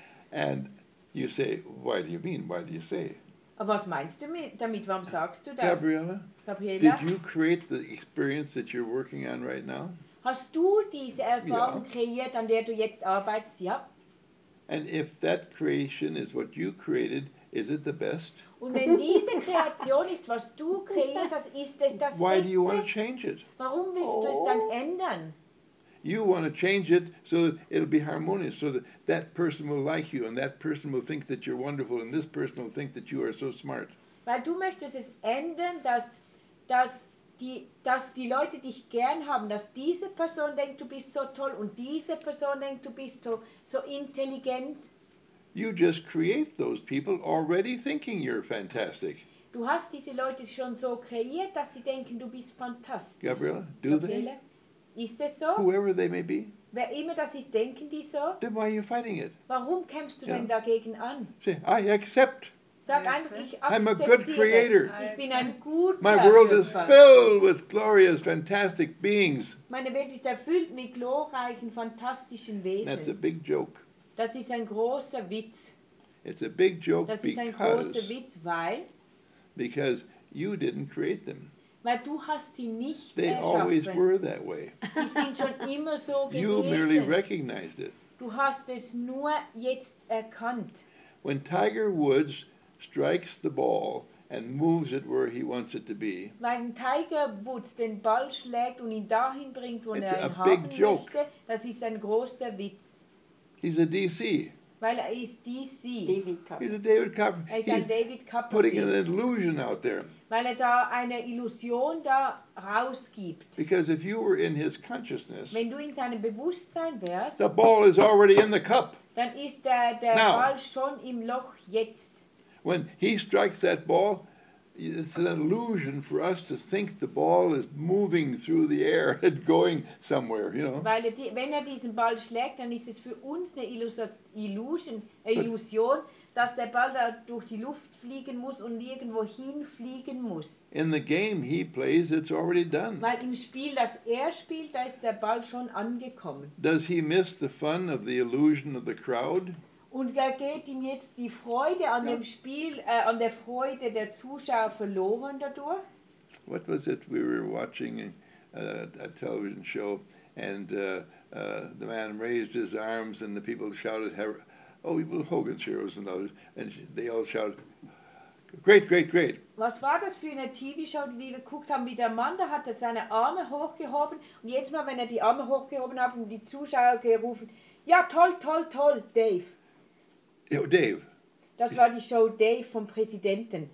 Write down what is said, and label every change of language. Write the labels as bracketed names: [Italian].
[English] And you say, why do you mean? Why do you say? [German] Was meinst du damit? Warum sagst du das? Gabriela? [English] Did you create the experience that you're working on right now? [German] Hast du diese Erfahrung kreiert, an der du jetzt arbeitest? Ja. [English] And if that creation is what you created, is it the best? [German] Und wenn diese Kreation ist, was du kreiert hast, ist es das Beste? [English] Why do you want to change it? [German] Warum willst du es dann ändern? [English] You want to change it so that it'll be harmonious, so that that person will like you, and that person will think that you're wonderful, and this person will think that you are so smart. [German] Weil du möchtest es ändern, dass die Leute dich gern haben, dass diese Person denkt, du bist so toll, und diese Person denkt, du bist so intelligent. [English] You just create those people already thinking you're fantastic. [German] Du hast diese Leute schon so kreiert, dass sie denken, du bist fantastisch. [English] Gabriela, do they? [German] Ist es so? [English] Whoever they may be. [German] Wer immer das ist, denken die so? [English] Then why are you fighting it? [German] Warum kämpfst du denn dagegen an? [English] Say, I accept. [German] Sag einfach, ich akzeptiere. [English] I'm a good creator. [German] Ich bin ein guter. [English] My world is filled with glorious, fantastic beings. [German] Meine Welt ist erfüllt mit glorreichen, fantastischen Wesen. [English] That's a big joke. [German] Das ist ein großer Witz. [English] It's a big joke because. [German] Das ist ein großer Witz, weil. [English] Because you didn't create them. [German] Weil du hast sie nicht [English] they [German] erschaffen. [English] Always were that way. [German] Sie sind schon immer so gewesen. [English] You merely recognized it. [German] Du hast es nur jetzt erkannt. [English] When Tiger Woods strikes the ball and moves it where he wants it to be. [German] Wenn Tiger Woods den Ball schlägt und ihn dahin bringt, wo er ihn haben [English] big joke. [German] Möchte, das ist ein großer Witz. [English] He's a DC. [German] Weil er ist DC. [English] David Copperfield. He's a David Copperfield. [German] Er ist [English] He's [German] ein David Copperfield. [English] Putting an illusion out there. [German] Weil er da eine Illusion da rausgibt. [English] Because if you were in his consciousness, [German] wenn du in seinem Bewusstsein wärst, [English] the ball is already in the cup. [German] Dann ist der [English] Now, [German] Ball schon im Loch jetzt. [English] When he strikes that ball, it's an illusion for us to think the ball is moving through the air and going somewhere, you know. [German] Weil wenn er diesen Ball schlägt, dann ist es für uns eine Illusion, dass der Ball da durch die Luft fliegen muss und irgendwo hinfliegen muss. [English] In the game he plays, it's already done. [German] Weil im Spiel, das er spielt, da ist der Ball schon angekommen. [English] Does he miss the fun of the illusion of the crowd? [German] Und da geht ihm jetzt die Freude an dem Spiel, an der Freude der Zuschauer verloren dadurch? [English] What was it we were watching a television show and the man raised his arms and the people shouted, Hogan's Heroes and others, and they all shouted, great, great, great. [German] Was war das für eine TV-Show, die wir geguckt haben, wie der Mann, da hat er seine Arme hochgehoben und jedes Mal, wenn er die Arme hochgehoben hat, haben die Zuschauer gerufen, ja, toll, toll, toll, Dave. [English] Oh, Dave. [German] Das war die Show Dave vom Präsidenten.